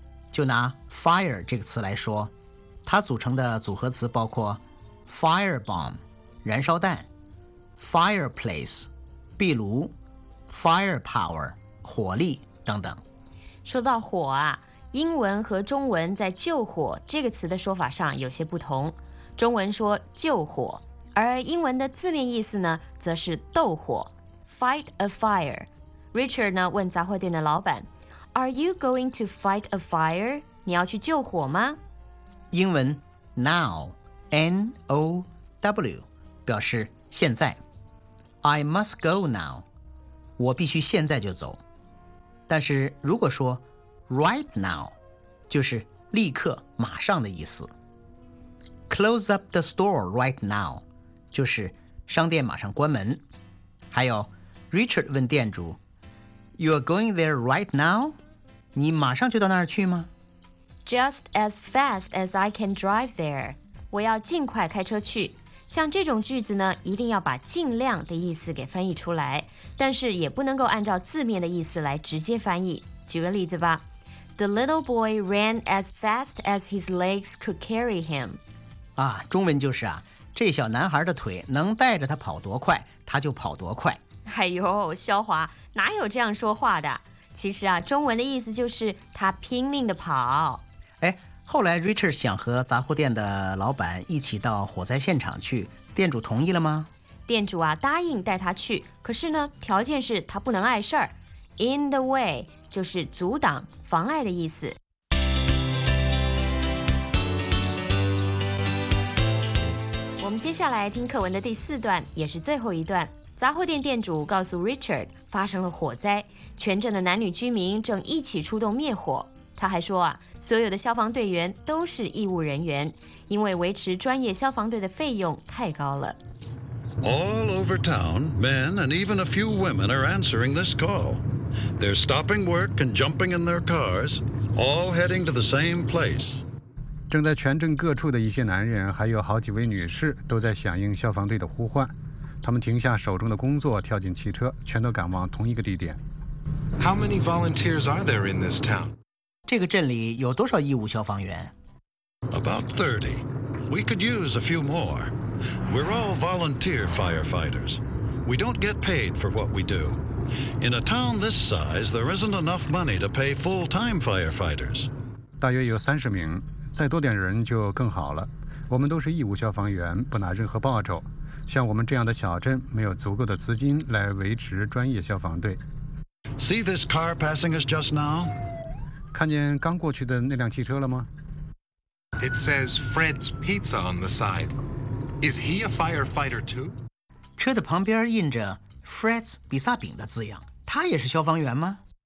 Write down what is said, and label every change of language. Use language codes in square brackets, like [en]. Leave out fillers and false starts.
[zh] 就拿 fire 这个词来说，它组成的组合词包括 firebomb 燃烧弹、 fireplace 壁炉、 firepower 火力等等。说到火啊，英文和中文在救火这个词的说法上有些不同，中文说救火，而英文的字面意思呢则是斗火， [en] fight a fire。 Richard [zh] 呢问杂货店的老板， [en] Are you going to fight a fire? [zh] 你要去救火吗？英文 now N-O-W 表示现在， [en] I must go now， [zh] 我必须现在就走。但是如果说 right now 就是立刻马上的意思。 [en] Close up the store right now [zh] 就是商店马上关门。还有 [en] Richard [zh] 问店主， [en] You are going there right now? [zh] 你马上就到那儿去吗？ [en] Just as fast as I can drive there， [zh] 我要尽快开车去。像这种句子呢，一定要把尽量的意思给翻译出来，但是也不能够按照字面的意思来直接翻译。举个例子吧， [en] The little boy ran as fast as his legs could carry him。 [zh] 啊，中文就是啊，这小男孩的腿能带着他跑多快他就跑多快。哎呦，萧华哪有这样说话的，其实啊中文的意思就是他拼命的跑。哎，后来 Richard 想和杂货店的老板一起到火灾现场去，店主同意了吗？店主啊答应带他去，可是呢条件是他不能碍事儿。 [en] In the way [zh] 就是阻挡妨碍的意思。我们接下来听课文的第四段，也是最后一段。杂货店店主告诉 Richard 发生了火灾，全镇的男女居民正一起出动灭火。他还说啊，所有的消防队员都是义务人员，因为维持专业消防队的费用太高了。 [en] All over town, men and even a few women are answering this call. They're stopping work and jumping in their cars, all heading to the same place. [zh] 正在全镇各处的一些男人还有好几位女士都在响应消防队的呼唤，他们停下手中的工作，跳进汽车，全都赶往同一个地点。 [en] How many volunteers are there in this town? [zh] 这个镇里有多少义务消防员？ [en] About 30. We could use a few more. We're all volunteer firefighters. We don't get paid for what we do. In a town this size, there isn't enough money to pay full-time firefighters. [zh] 大约有30名，再多点人就更好了。我们都是义务消防员，不拿任何报酬。像我们这样的小镇，没有足够的资金来维持专业消防队。 [en] See this car passing us just now? [zh] 看见刚过去的那辆汽车了吗？ [en] It says Fred's Pizza on the side. Is he a firefighter too? [zh] 车的旁边印着 Fred's 比萨饼的字样，他也是消防员吗？